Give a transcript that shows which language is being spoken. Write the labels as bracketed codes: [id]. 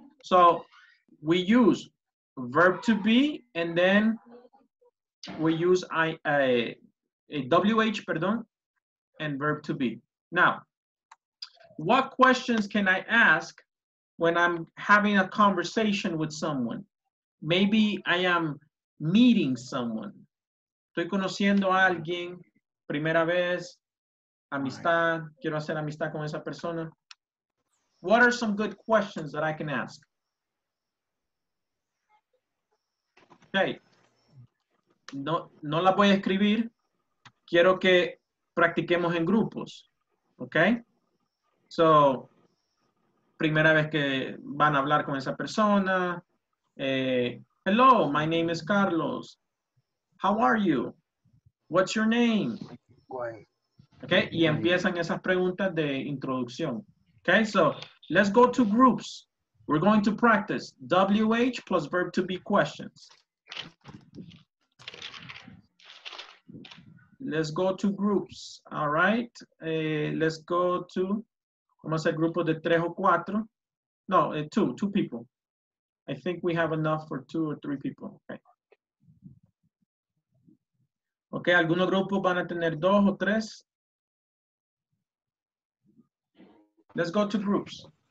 [en] So we use verb to be, and then we use WH, and verb to be. Now, what questions can I ask when I'm having a conversation with someone? Maybe I am meeting someone. [es] Estoy conociendo a alguien, primera vez, amistad, quiero hacer amistad con esa persona. [en] What are some good questions that I can ask? [es] Okay. No la voy a escribir. Quiero que practiquemos en grupos. Okay? So, primera vez que van a hablar con esa persona. [en] Hello, my name is Carlos. How are you? What's your name? Okay? [es] Y empiezan esas preguntas de introducción. Okay? [en] So, let's go to groups. We're going to practice WH plus verb to be questions. Let's go to groups. All right. Let's go to, [es] vamos a hacer grupo de tres o cuatro. [en] No, two people. I think we have enough for two or three people. Okay. [es] Okay, algunos grupos van a tener dos o tres. [en] Let's go to groups.